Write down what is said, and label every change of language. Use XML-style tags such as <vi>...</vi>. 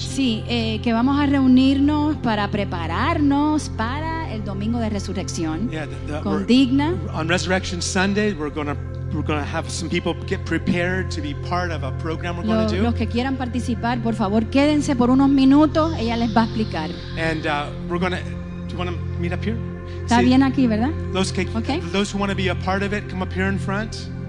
<es>Sí, que vamos a reunirnos para prepararnos para el domingo de resurrección.</es> <en>Yeah,</en> <es>con Digna.</es> <en>On Resurrection Sunday, we're going to have some people get prepared to be part of a program we're going to do.</en> <es>Los que quieran participar, por favor, quédense por unos minutos, ella les va a explicar.</es> <en>And do you want to meet up here?</en> <es>Está See, bien aquí, ¿verdad?</es> <en>Those who want to be a part of it, come up here in front.</en>